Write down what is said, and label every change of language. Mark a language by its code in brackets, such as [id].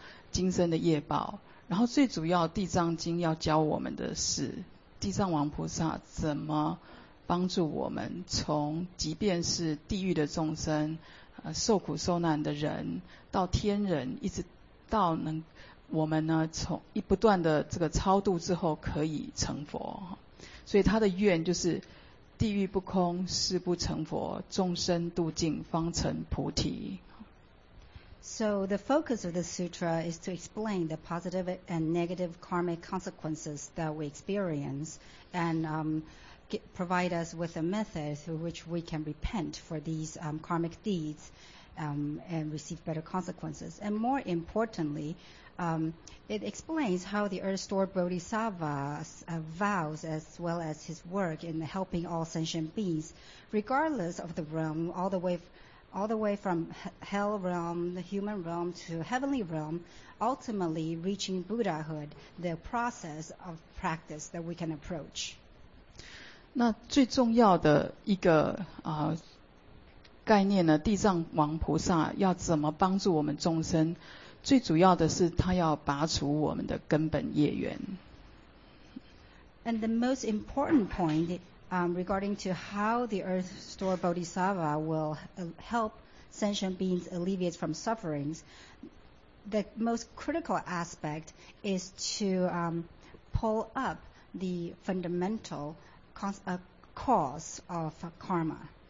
[zh] 今生的业报，然后最主要地藏经要教我们的是地藏王菩萨怎么帮助我们从即便是地狱的众生受苦受难的人到天人，一直到能我们呢从一不断的这个超度之后可以成佛。所以他的愿就是地狱不空，誓不成佛，众生度尽方成菩提。 [en] So the focus of the sutra is to explain the positive and negative karmic consequences that we experience and provide us with a method through which we can repent for these karmic deeds and receive better consequences. And more importantly, it explains how the Earth Store Bodhisattva's vows as well as his work in helping all sentient beings, regardless of the realm, all the way from hell realm, the human realm, to heavenly realm, ultimately reaching Buddhahood, the process of practice that we can approach. [zh] 那最重要的一个概念呢，地藏王菩萨要怎么帮助我们众生，最主要的是他要拔除我们的根本业缘。 [en] And the most important point regarding to how the Earth Store Bodhisattva will help sentient beings alleviate from sufferings, the most critical aspect is to pull up the fundamental cause of karma.